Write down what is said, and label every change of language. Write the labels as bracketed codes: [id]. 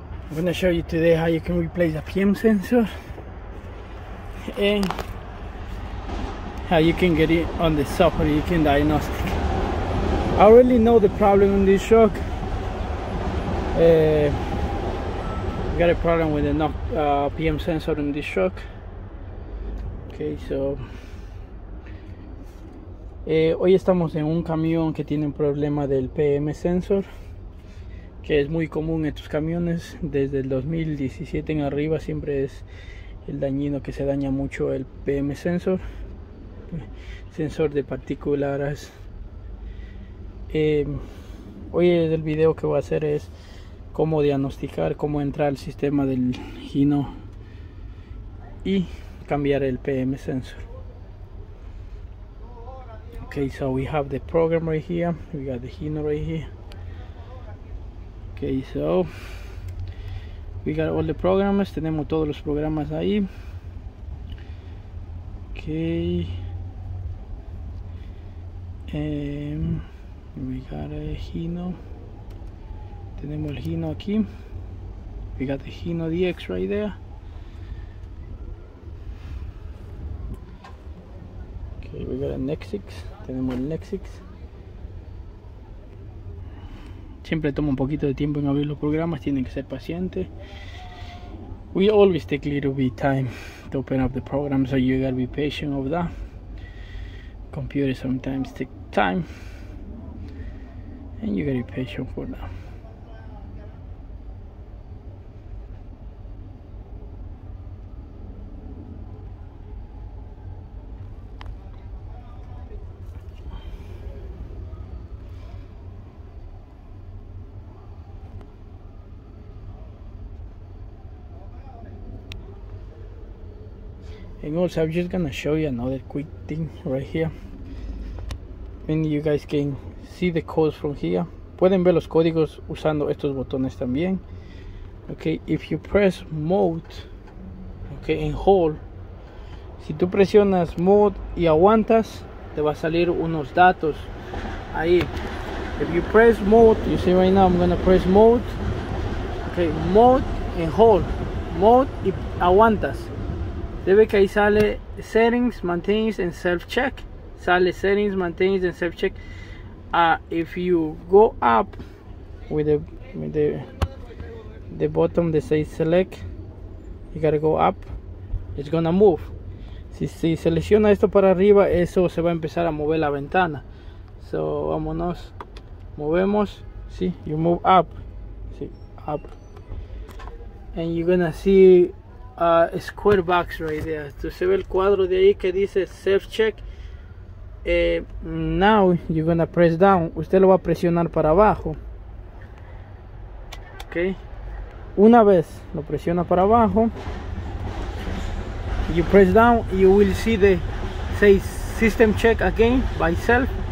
[en] I'm gonna show you today how you can replace a PM sensor and how you can get it on the software you can diagnostic. I already know the problem in this truck. I got a problem with the PM sensor in this truck. [es] Okay, so hoy estamos en un camión que tiene un problema del PM sensor, que es muy común en estos camiones. Desde el 2017 en arriba siempre es el dañino, que se daña mucho el PM sensor, sensor de partículas. Hoy el video que voy a hacer es cómo diagnosticar, cómo entrar al sistema del Hino y cambiar el PM sensor. [en] Okay, so we have the program right here. We got the Hino right here. Okay, so we got all the programs. [es] Tenemos todos los programas ahí. Okay. [en] We got a Hino. [es] Tenemos el Hino aquí. [en] We got the Hino DX right there. Okay, we got a Nexix. [es] Tenemos el Nexix. Siempre toma un poquito de tiempo en abrir los programas, tienen que ser pacientes. [en] We always take a little bit of time to open up the program, so you gotta be patient over that. Computers sometimes take time, and you gotta be patient for that. And also, I'm just gonna show you another quick thing right here. Many of you guys can see the codes from here. [es] Pueden ver los códigos usando estos botones también. [en] Okay, if you press mode, okay, and hold. [es] Si tú presionas mode y aguantas, te va a salir unos datos ahí. [en] If you press mode, you see right now, I'm gonna press mode. Okay, mode and hold. [es] Mode y aguantas. Debe que ahí sale [en] settings, maintains, and self check. Sale settings, maintains, and self check. If you go up with the bottom that says select, you gotta go up. It's gonna move. [es] Si selecciona esto para arriba, eso se va a empezar a mover la ventana. [en] So [es] vámonos, movemos. [en] Sí, you move up. Sí, up. And you're gonna see a square box right there. [es] Entonces se ve el cuadro de ahí que dice self check. [en] Now you're gonna press down. [es] Usted lo va a presionar para abajo. Ok, una vez lo presiona para abajo, [en] you press down, you will see the say system check again by self.